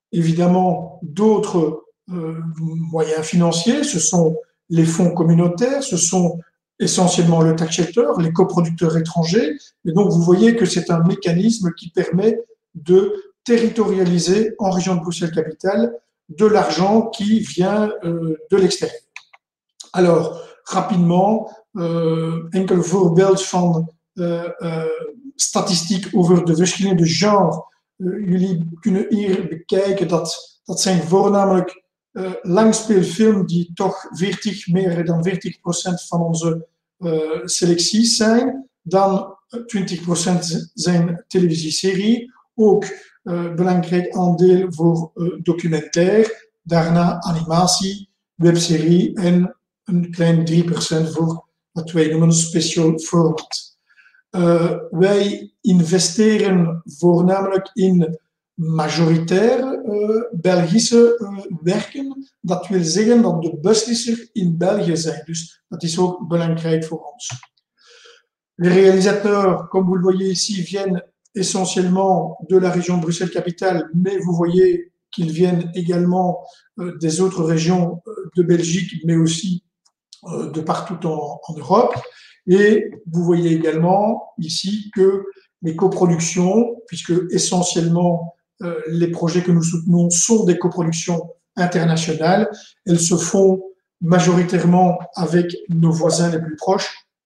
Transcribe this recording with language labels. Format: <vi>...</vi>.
<fr>évidemment d'autres moyens financiers, ce sont les fonds communautaires, ce sont essentiellement le tax shelter, les coproducteurs étrangers. Et donc, vous voyez que c'est un mécanisme qui permet de territorialiser en région de Bruxelles-Capitale de l'argent qui vient de l'extérieur. Alors, rapidement,</fr> <nl>Enkel voorbeeld van statistiek over de verschillende genres. Jullie kunnen hier bekijken dat dat zijn voornamelijk langspeelfilm die toch 40, meer dan 40% van onze selecties zijn. Dan 20% zijn televisieserie. Ook belangrijk aandeel voor documentaire. Daarna animatie, webserie en een klein 3% voor wat wij noemen een special format. Wij investeren voornamelijk in majoritair Belgische werken. Dat wil zeggen dat de beslissers in België zijn. Dus dat is ook belangrijk voor ons.</nl> <fr>Les réalisateurs, comme vous le voyez ici, viennent essentiellement de la région Bruxelles-Capitale, mais vous voyez qu'ils viennent également des autres régions de Belgique, mais aussi de partout en Europe. Et vous voyez également ici que les coproductions, puisque essentiellement les projets que nous soutenons sont des coproductions internationales, elles se font majoritairement avec nos voisins les plus proches,</fr>